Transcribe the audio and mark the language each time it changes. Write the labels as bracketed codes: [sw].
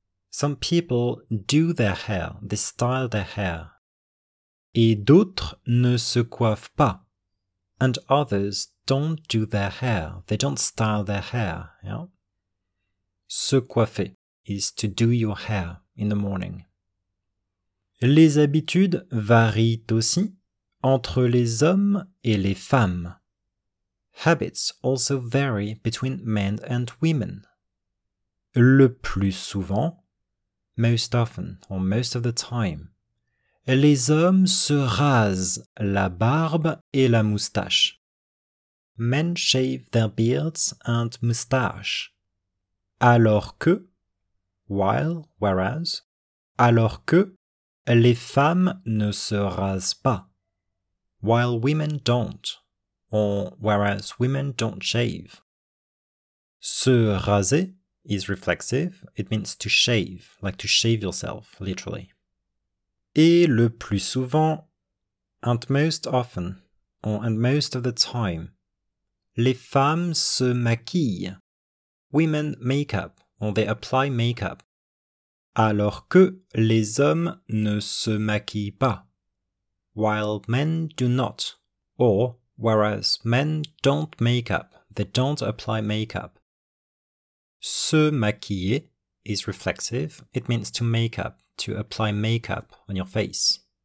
[en] Some people do their hair, they style their hair. [fr] Et d'autres ne se coiffent pas. [en] And others don't do their hair, they don't style their hair. Yeah? [fr] Se coiffer [en] is to do your hair in the morning. [fr] Les habitudes varient aussi entre les hommes et les femmes. [en] Habits also vary between men and women. [fr] Le plus souvent, [en] most often, or most of the time, [fr] les hommes se rasent la barbe et la moustache. [en] Men shave their beards and moustache. [fr] Alors que, [en] while, whereas, [fr] alors que, les femmes ne se rasent pas. [en] While women don't, or whereas women don't shave. [fr] Se raser [en] is reflexive, it means to shave, like to shave yourself, literally. [fr] Et le plus souvent, [en] and most often, or and most of the time, [fr] les femmes se maquillent. [en] Women make up, or they apply makeup. [fr] Alors que les hommes ne se maquillent pas. [en] while men do not, or whereas men don't make up, they don't apply makeup. Se maquiller is reflexive, it means to make up, to apply makeup on your face.